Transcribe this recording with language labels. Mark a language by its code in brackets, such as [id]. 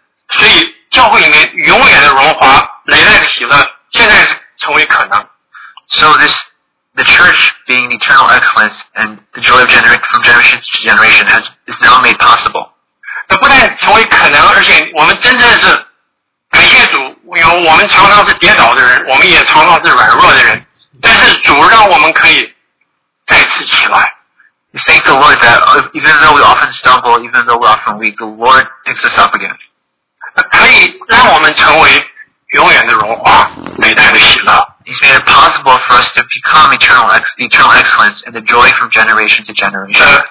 [zh] 所以教会里面永远的荣华、累累的喜乐，现在成为可能。 [en] So this, the church being eternal excellence and the joy of generation to generation is now made possible. [zh] 那不但成为可能，而且我们真正是感谢主，有我们常常是跌倒的人，我们也常常是软弱的人。但是主让我们可以再次起来。 [en] We thank the Lord that even though we often stumble, even though we often weak, the Lord picks us up again. [zh] 可以让我们成为永远的荣华，美代的喜乐。 [en] He's made it possible for us to become eternal excellence and the joy from generation to generation.